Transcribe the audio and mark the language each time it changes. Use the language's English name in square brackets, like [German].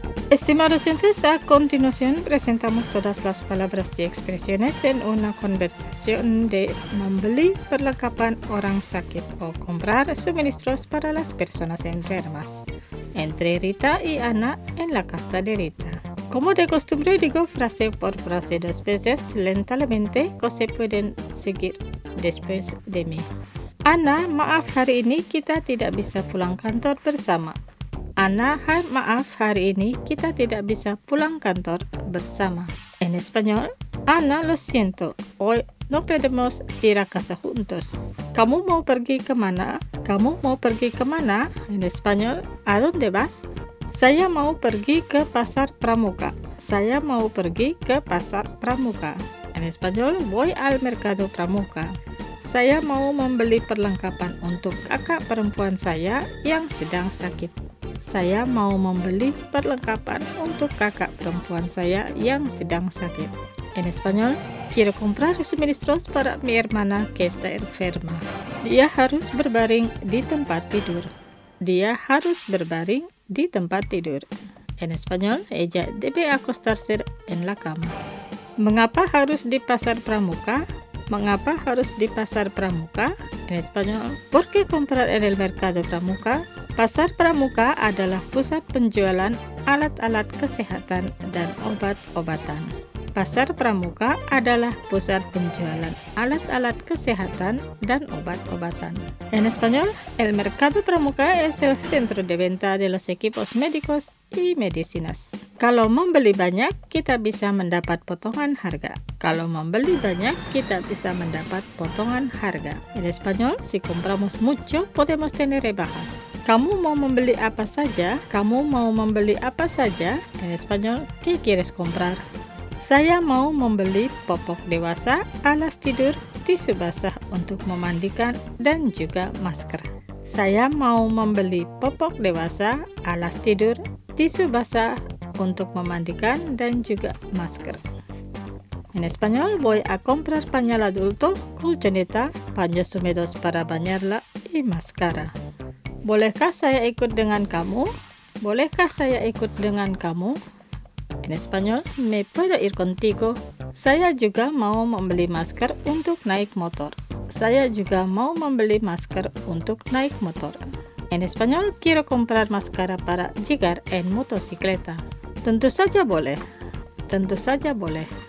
[Spanish] Estimados docentes, a continuación presentamos todas las palabras y expresiones en una conversación de [Indonesian] membeli perlengkapan orang sakit [Spanish] o comprar suministros para las personas enfermas entre Rita y Ana en la casa de Rita. Como de costumbre digo frase por frase dos veces lentamente que se pueden seguir después de mí. [Indonesian] Ana, maaf hari ini kita tidak bisa pulang kantor bersama. Ana, maaf, hari ini kita tidak bisa pulang kantor bersama. [Spanish] En español, Ana, lo siento, hoy no podemos ir a casa juntos. [Indonesian] Kamu mau pergi kemana? Kamu mau pergi kemana? [Spanish] En español, ¿a dónde vas? [Indonesian] Saya mau pergi ke Pasar Pramuka. Saya mau pergi ke Pasar Pramuka. [Spanish] En español, voy al Mercado Pramuka. [Indonesian] Saya mau membeli perlengkapan untuk kakak perempuan saya yang sedang sakit. Saya mau membeli perlengkapan untuk kakak perempuan saya yang sedang sakit. [Spanish] En español, quiero comprar suministros para mi hermana que está enferma. [Indonesian] Dia harus berbaring di tempat tidur. Dia harus berbaring di tempat tidur. [Spanish] En español, ella debe acostarse en la cama. [Indonesian] Mengapa harus di Pasar Pramuka? Mengapa harus di Pasar Pramuka? [Spanish] En español, ¿por qué comprar en el Mercado Pramuka? [Indonesian] Pasar Pramuka adalah pusat penjualan alat-alat kesehatan dan obat-obatan. Pasar Pramuka adalah pusat penjualan alat-alat kesehatan dan obat-obatan. [Spanish] En español, el Mercado Pramuka es el centro de venta de los equipos médicos y medicinas. [Indonesian] Kalau membeli banyak, kita bisa mendapat potongan harga. Kalau membeli banyak, kita bisa mendapat potongan harga. [Spanish] En español, si compramos mucho, podemos tener rebajas. [Indonesian] Kamu mau membeli apa saja? Kamu mau membeli apa saja? [Spanish] En español, ¿qué quieres comprar? [Indonesian] Saya mau membeli popok dewasa, alas tidur, tisu basah untuk memandikan, dan juga masker. Saya mau membeli popok dewasa, alas tidur, tisu basah untuk memandikan, dan juga masker. [Spanish] En español, voy a comprar pañal adulto, colchoneta, paños húmedos para bañarla y máscara. [Indonesian] ¿Bolehkah saya ikut dengan kamu? ¿Bolehkah saya ikut dengan kamu? [Spanish] En español, me puedo ir contigo. [Indonesian] Saya juga mau membeli masker untuk naik motor. Saya juga mau membeli masker untuk naik motor. [Spanish] En español, quiero comprar máscara para llegar en motocicleta. [Indonesian] Tentu saja boleh. Tentu saja boleh.